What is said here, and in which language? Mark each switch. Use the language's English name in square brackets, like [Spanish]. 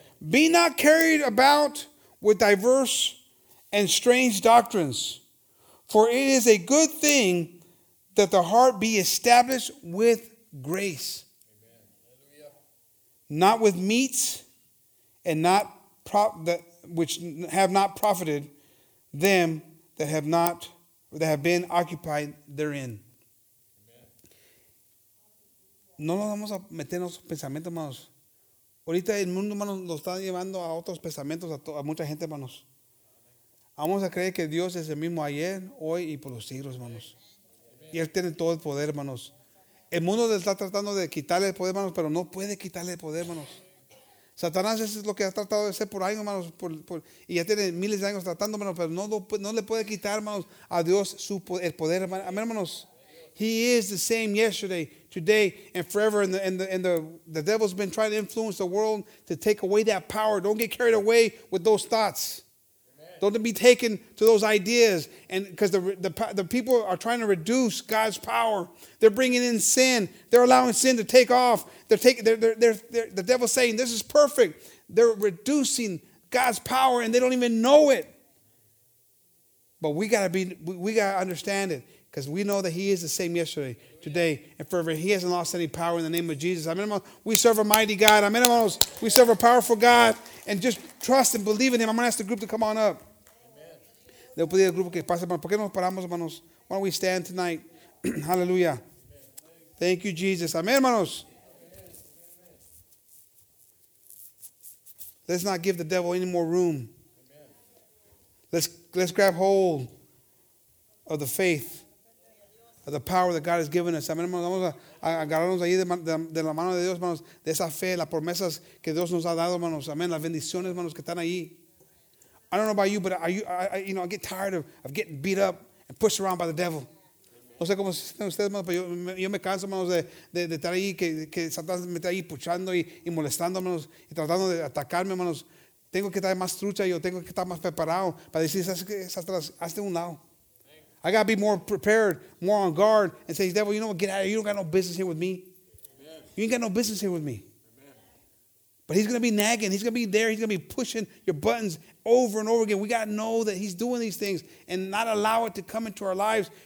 [English] Be not carried about with diverse and strange doctrines, for it is a good thing that the heart be established with grace. Not with meats, and not which have not profited them that have not that have been occupied therein. Amen. [Spanish] No nos vamos a meter en esos pensamientos, hermanos. Ahorita el mundo, hermanos, lo está llevando a otros pensamientos a mucha gente, hermanos. Vamos a creer que Dios es el mismo ayer, hoy y por los siglos, hermanos. Amen. Y él tiene todo el poder, hermanos. El mundo está tratando de quitarle el poder, hermanos, pero no puede quitarle el poder, hermanos. Satanás es lo que ha tratado de hacer por años, hermanos, y ya tiene miles de años tratando, hermanos, pero no le puede quitar, hermanos, a Dios el poder, hermanos. Amén, hermanos. [English] He is the same yesterday, today, and forever. And the devil's been trying to influence the world to take away that power. Don't get carried away with those thoughts. Don't be taken to those ideas, and because the people are trying to reduce God's power. They're bringing in sin. They're allowing sin to take off. The devil's saying this is perfect. They're reducing God's power, and they don't even know it. But we gotta understand it, because we know that he is the same yesterday, today, and forever. He hasn't lost any power in the name of Jesus. Amen. We serve a mighty God. Amen. We serve a powerful God, and just trust and believe in him. I'm gonna ask the group to come on up. [Spanish] Le pedí al grupo que pase, hermanos. ¿Por qué no paramos, hermanos? [English] Why don't we stand tonight? Hallelujah. Thank you, Jesus. [Spanish] Amén, hermanos. [English] Let's not give the devil any more room. Let's grab hold of the faith, of the power that God has given us. [Spanish] Amén, hermanos. Vamos a agarrarnos ahí de la mano de Dios, hermanos, de esa fe, las promesas que Dios nos ha dado, hermanos. Amén. Las bendiciones, hermanos, que están ahí. [English] I don't know about you, but I get tired of getting beat up and pushed around by the devil. [Spanish] No sé cómo se sienten ustedes, hermanos, pero yo me canso, hermanos, de estar ahí, que Satán me está ahí puchando y molestando, hermanos, y tratando de atacarme, hermanos. Tengo que estar más trucha, yo tengo que estar más preparado para decir, Satanás, hazte un lado. [English] I got to be more prepared, more on guard, and say, devil, you know what, get out of here. You don't got no business here with me. Amen. You ain't got no business here with me. Amen. But he's going to be nagging. He's going to be there. He's going to be pushing your buttons over and over again. We got to know that he's doing these things and not allow it to come into our lives.